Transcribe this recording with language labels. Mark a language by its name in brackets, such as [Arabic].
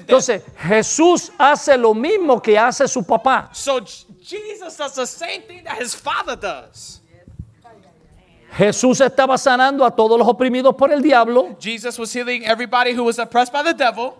[Spanish] Entonces Jesús hace lo mismo que hace su papá. [English] So Jesus does the same thing that his father does. [Spanish] Jesús estaba sanando a todos los oprimidos por el diablo. [English] Jesus was healing everybody who was oppressed by the devil.